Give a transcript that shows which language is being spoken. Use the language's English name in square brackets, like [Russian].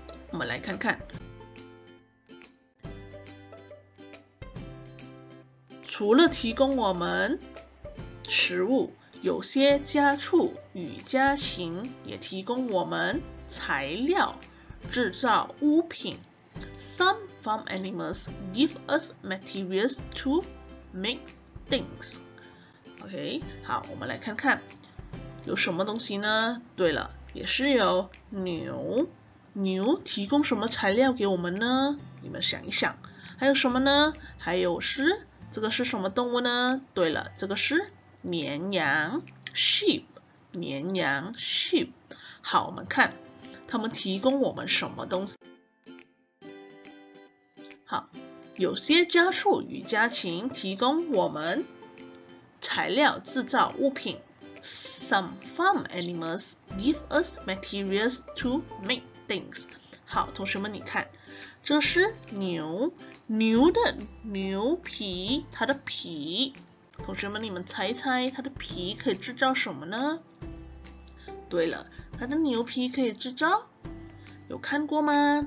[Chinese] 我们来看看，除了提供我们食物，有些家畜与家禽也提供我们材料制造物品。 [English] Some farm animals give us materials to make things. [Chinese] OK， 好，我们来看看有什么东西呢？对了，也是有牛。牛提供什么材料给我们呢？你们想一想，还有什么呢？还有是，这个是什么动物呢？对了，这个是绵羊 sheep， 绵羊 sheep。好，我们看他们提供我们什么东西。好，有些家畜与家禽提供我们材料制造物品。 [English] Some farm animals give us materials to make things. [Chinese] 好，同学们，你看，这是牛的牛皮，它的皮。同学们，你们猜一猜，它的皮可以制造什么呢？对了，它的牛皮可以制造，有看过吗？